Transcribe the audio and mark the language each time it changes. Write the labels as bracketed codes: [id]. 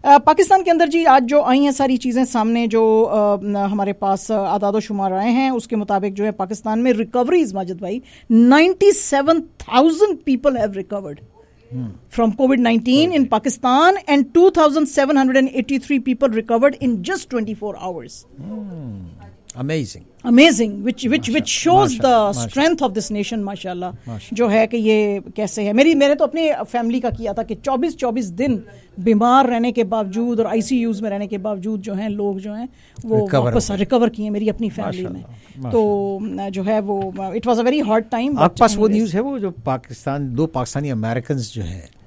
[hi] पाकिस्तान के अंदर जी आज जो आई हैं सारी चीज़ें सामने, जो हमारे पास आदाद व शुमार आए हैं उसके मुताबिक जो है पाकिस्तान में रिकवरीज, माजिद भाई [en] 97,000 people have recovered from covid in Pakistan, and 2,783 people recovered in just 24 hours. Amazing, which shows the strength of this nation, mashallah. [hi] जो है कि ये कैसे है. मैंने तो अपने फैमिली का किया था कि 24 दिन बीमार रहने के बावजूद और ICUs में रहने के बावजूद जो हैं लोग जो हैं वो वापस रिकवर किए मेरी अपनी फैमिली में. तो जो है वो [en] It was a very hard time. [hi] आपके पास वो न्यूज़ है वो जो पाकिस्तान, दो पाकिस्तानी अमेरिकन जो हैं